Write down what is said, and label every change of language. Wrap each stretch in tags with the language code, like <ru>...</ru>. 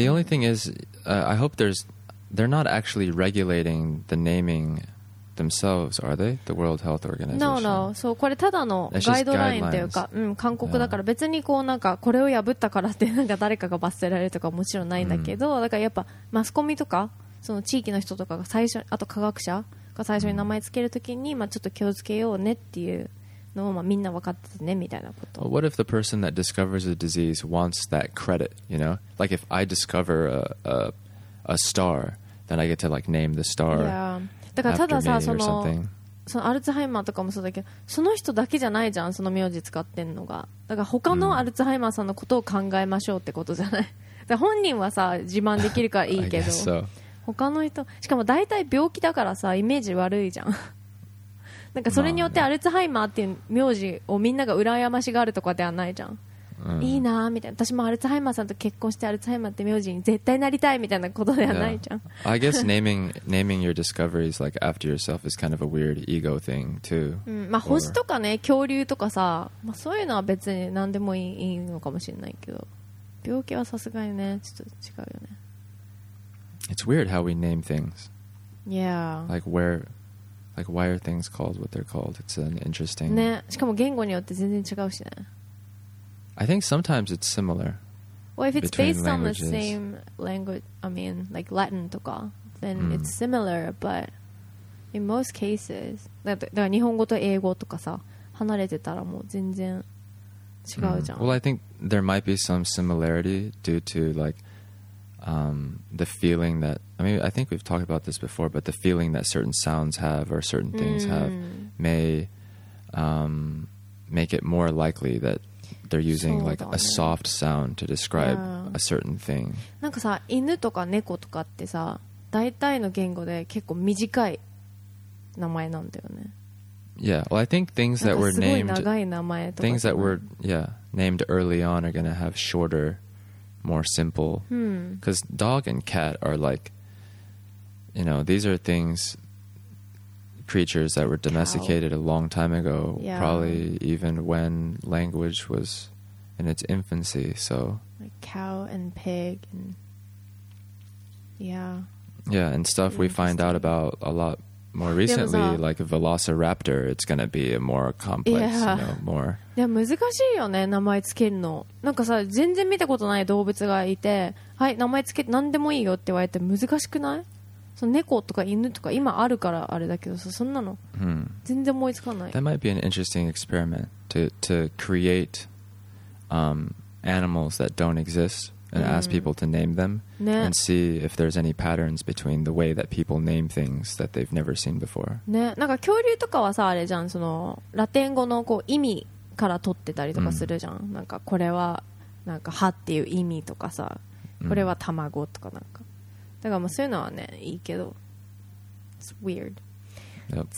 <en>The only thing is, I hope they're not actually regulating the naming themselves, are they? The World Health Organization. No.</en> <ja>そう、これただのガイドラインというか、勧告だから、別にこうなんかこれを破ったからってなんか誰かが罰せられるとかもちろんないんだけど、だからやっぱマスコミとかその地域の人とかが最初、あと科学者。最初に名前つけるときに、まあ、ちょっと気をつけようねっていうのを、まあ、みんな分かっててねみたいなこと。</ja> <en>What if the person that discovers a disease wants that credit, you know? Like if I discover a star, then I get to like name the star. Yeah.</en> <ja>だからたださ、そのアルツハイマーとかもそうだけど、その人だけじゃないじゃん、その名字使ってんのが。だから他のアルツハイマーさんのことを考えましょうってことじゃない。だから本人はさ、自慢できるからいいけど。</ja> <en>I guess so.</en> <ja>他の人、しかも大体病気だからさ、イメージ悪いじゃん。なんかそれによってアルツハイマーっていう名字をみんなが羨ましがるとかではないじゃん、いいなーみたいな、私もアルツハイマーさんと結婚してアルツハイマーって名字に絶対なりたいみたいなことではないじゃん、</ja> <en>yeah. I guess naming your discoveries like after yourself is kind of a weird ego thing too、</en> <ja>まあ、星とかね、恐竜とかさ、まあ、そういうのは別に何でもいいのかもしれないけど、病気はさすがにね、ちょっと違うよね。</ja> <en>It's weird how we name things. Yeah. Like why are things called what they're called? It's an interesting.</en> <ja>ね、しかも言語によって全然違うしね。</ja> <en>I think sometimes it's similar. Well, if it's based on the same language, I mean, like Latin とか, then it's similar. But in most cases,</en> <ja>だから日本語と英語とかさ、離れてたらもう全然違うじゃん。 Mm-hmm.</ja> <en>Well, I think there might be some similarity due to like、the feeling that, I mean, I think we've talked about this before, but the feeling that certain sounds have or certain things、mm-hmm. have may、make it more likely that they're using、ね、like a soft sound to describe、yeah. a certain thing.</en> <ja>なんかさ、犬とか猫とかってさ、大体の言語で結構短い名前なんだよね。</ja> <en>Yeah, well, I think things that were named, things that were, yeah, named early on are going to have shorter, more simple, because、hmm. dog and cat are like, you know, these are things, creatures that were domesticated、cow. A long time ago,、 yeah. probably even when language was in its infancy, so. Like cow and pig and, yeah. Yeah, and stuff we find out about a lot. More recently, like a velociraptor, it's going to be a more complex,、 yeah. you know, more.</en> <ja>でも難しいよね、名前つけるの。なんかさ、全然見たことない動物がいて、はい、名前つけて何でもいいよって言われて難しくない？その猫とか犬とか今あるからあれだけどさ、そんなの、 hmm. 全然思いつかない。</ja> <en>That might be an interesting experiment to create、animals that don't exist. And ask people to name them、</en> <ja>ね、</ja> <en>and see if there's any patterns between the way that people name things that they've never seen before.</en> <ja>ね、なんか恐竜とかはさあれじゃん、そのラテン語のこう意味から取ってたりとかするじゃん。なんかこれはなんか歯っていう意味とかさ、これは卵とかなんか。だからまあそういうのはねいいけど、</ja> <en>it's weird.、 Yep.</en>